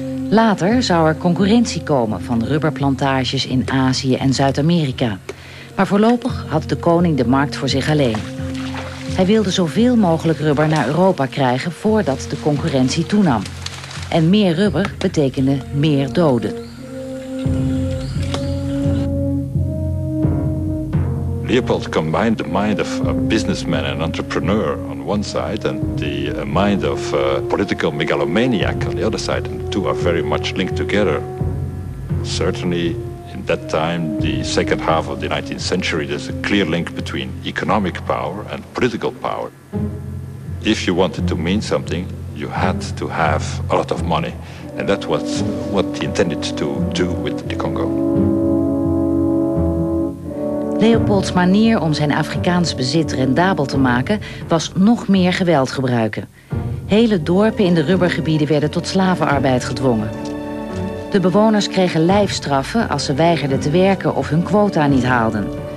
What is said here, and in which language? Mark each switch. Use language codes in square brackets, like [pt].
[nl] Later zou er concurrentie komen van rubberplantages in Azië en Zuid-Amerika. Maar voorlopig had de koning de markt voor zich alleen. Hij wilde zoveel mogelijk rubber naar Europa krijgen voordat de concurrentie toenam. En meer rubber betekende meer doden. [en] Leopold combined the mind of a businessman and entrepreneur on one side and the mind of a political megalomaniac on the other side. And the two are very much linked together. Certainly, in that time, the second half of the 19th century, there's a clear link between economic power and political power. If you wanted to mean something, you had to have a lot of money. And that was what he intended to do with the Congo. [nl] Leopolds manier om zijn Afrikaans bezit rendabel te maken was nog meer geweld gebruiken. Hele dorpen in de rubbergebieden werden tot slavenarbeid gedwongen. De bewoners kregen lijfstraffen als ze weigerden te werken of hun quota niet haalden.